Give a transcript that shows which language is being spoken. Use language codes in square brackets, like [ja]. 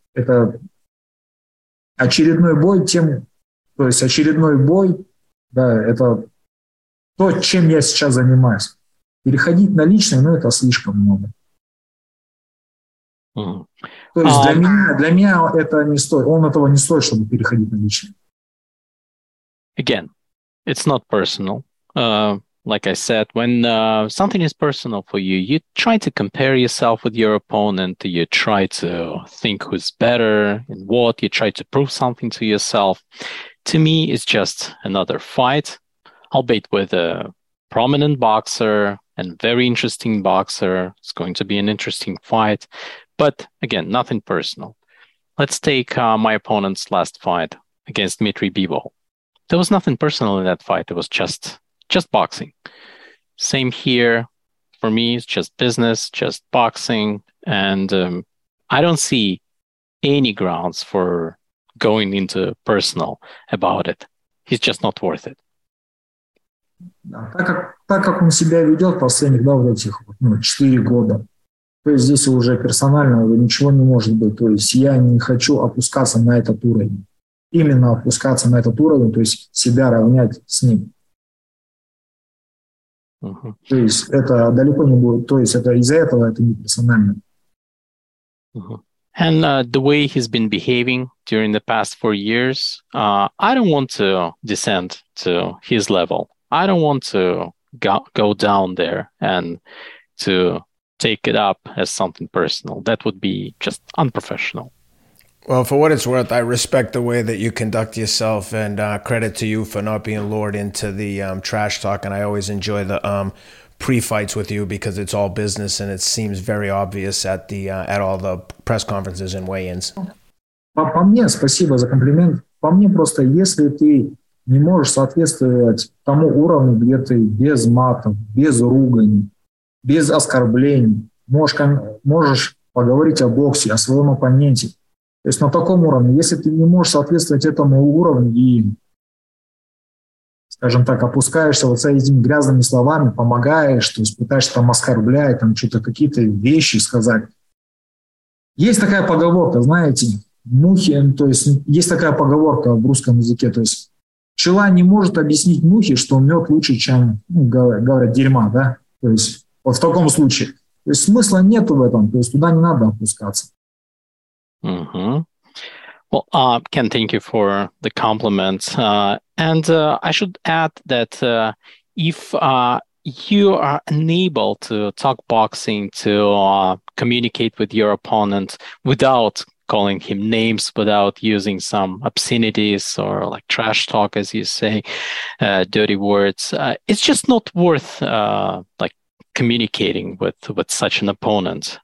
[ru] Это очередной бой, да, это то, чем я сейчас занимаюсь. Переходить на личное, ну, это слишком много. То есть для меня это не стоит, он этого не стоит, чтобы переходить на личное. [en] Again, it's not personal. like I said, when something is personal for you, you try to compare yourself with your opponent. You try to think who's better and what. You try to prove something to yourself. To me, it's just another fight, albeit with a prominent boxer and very interesting boxer. It's going to be an interesting fight. But again, nothing personal. Let's take my opponent's last fight against Dmitry Bivol. There was nothing personal in that fight. It was just boxing. Same here. For me, it's just business, just boxing. And I don't see any grounds for going into personal about it. He's just not worth it. [ru] Так как он себя ведет последних, да, вот этих, ну, 4 года, то есть здесь уже персонального ничего не может быть. То есть я не хочу опускаться на этот уровень. Именно опускаться на этот уровень, то есть себя равнять с ним. Uh-huh. То есть это далеко не будет. То есть это из-за этого это не персонально. Uh-huh. [en] And the way he's been behaving during the past 4 years, I don't want to descend to his level. I don't want to go down there and to take it up as something personal. That would be just unprofessional. Well, for what it's worth, I respect the way that you conduct yourself, and credit to you for not being lured into the trash talk. And I always enjoy the pre-fights with you because it's all business and it seems very obvious at the at all the press conferences and weigh-ins. [ru] По мне, спасибо за комплимент. По мне просто, если ты не можешь соответствовать тому уровню, где ты без матов, без ругани, без оскорблений, можешь поговорить о боксе, о своем оппоненте. То есть на таком уровне, если ты не можешь соответствовать этому уровню и, скажем так, опускаешься вот с этими грязными словами, помогаешь, то есть пытаешься там оскорблять, там что-то какие-то вещи сказать. Есть такая поговорка, знаете, мухи, то есть такая поговорка в русском языке, то есть пчела не может объяснить мухе, что мед лучше, чем, ну, говорят, дерьма, да? То есть вот в таком случае. То есть смысла нету в этом, то есть туда не надо опускаться. [en] Mm-hmm. Well, Ken, thank you for the compliment. I should add that if you are unable to talk boxing, to communicate with your opponent without calling him names, without using some obscenities or like trash talk, as you say, dirty words, it's just not worth like communicating with such an opponent.